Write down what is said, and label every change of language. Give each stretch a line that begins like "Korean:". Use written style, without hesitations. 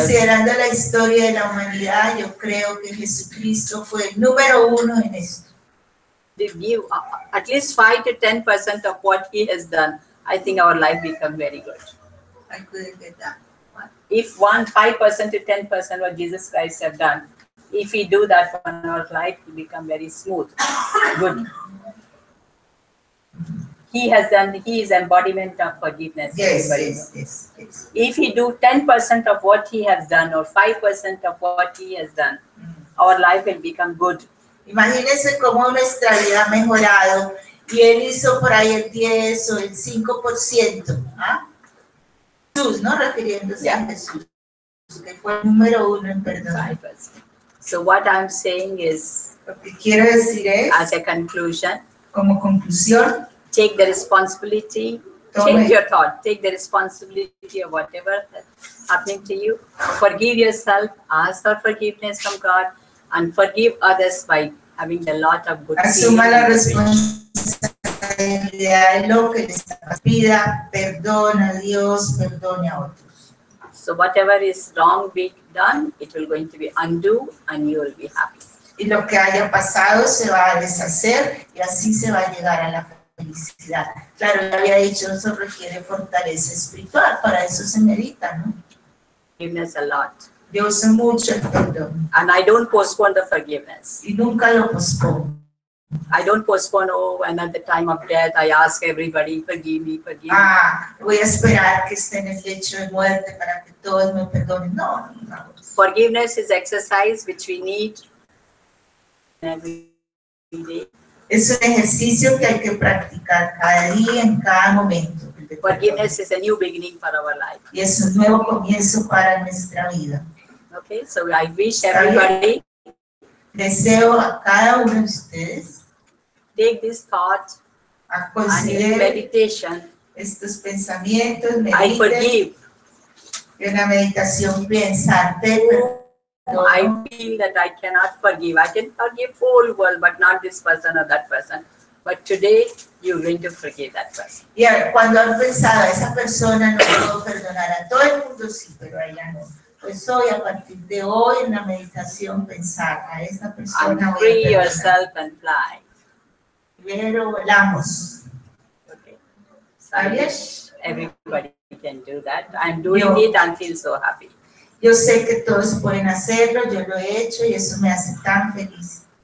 Spanish: Considerando la historia de la humanidad, yo creo que Jesucristo fue el número uno en esto.
English: If you, at least 5 to 10% of what he has done, I think our life become very good. I couldn't get that. What? If 5% to 10% what Jesus Christ have done, if we do that for our life, we become very smooth, good. He has done, he is embodiment of forgiveness. Yes. If we do 10% of what he has done or 5% of what he has done, our life will become good.
Spanish: Imagínense cómo nuestra vida ha mejorado y él hizo por ahí el 10 o el 5%. Jesús, ¿no? Refiriéndose a Jesús, que fue el número uno en perdón.
English: 5%. So what I'm saying is,
Spanish: lo que quiero decir es,
English: as a conclusion,
Spanish: como conclusión,
English: take the responsibility, change your thought, take the responsibility of whatever that's happening to you, forgive yourself, ask for forgiveness from God, and forgive others by having a lot of good feelings.
Spanish: Asuma la responsabilidad de lo que le está pasando, perdona a Dios, perdone a otros.
English: So whatever is wrong be done, it will going to be undo and you will be happy.
Spanish: Y lo que haya pasado se va a deshacer y así se va a llegar a la felicidad. Claro, ya había dicho, eso requiere fortaleza espiritual, para eso se medita, ¿no?
English: Forgiveness a lot.
Spanish: Yo uso mucho el perdón.
English: And I don't postpone the forgiveness.
Spanish: Y nunca lo pospongo.
English: I don't postpone, oh, and at the time of death, I ask everybody, forgive me, forgive me.
Spanish: Voy a esperar que esté en el lecho de muerte para que todos me perdonen. No, no.
English: Forgiveness is exercise which we need every day.
Spanish: Es un ejercicio que hay que practicar cada día, en cada momento.
English: Forgiveness is a new beginning for our life.
Spanish: Y es un nuevo comienzo para nuestra vida.
English: Okay, so I wish everybody...
Spanish: Deseo a cada uno de ustedes
English: take this thought
Spanish: a conseguir
English: and meditation.
Spanish: Estos pensamientos mediten.
English: I forgive.
Spanish: En la meditación pensar, perdón.
English: I feel that I cannot forgive. I can forgive whole world, but not this person or that person. But today, you're going to forgive that person.
Spanish: Y ahora, cuando han pensado, esa persona no puedo perdonar a todo el mundo, sí, pero a ella no. Pues hoy, a partir de hoy, en la meditación, pensar a esa persona.
English: And free yourself and fly.
Spanish: Pero volamos.
English: Okay. So everybody can do that. I'm doing it and feel so happy.
Spanish: Yo sé que todos pueden hacerlo, yo lo he hecho y eso me hace tan feliz.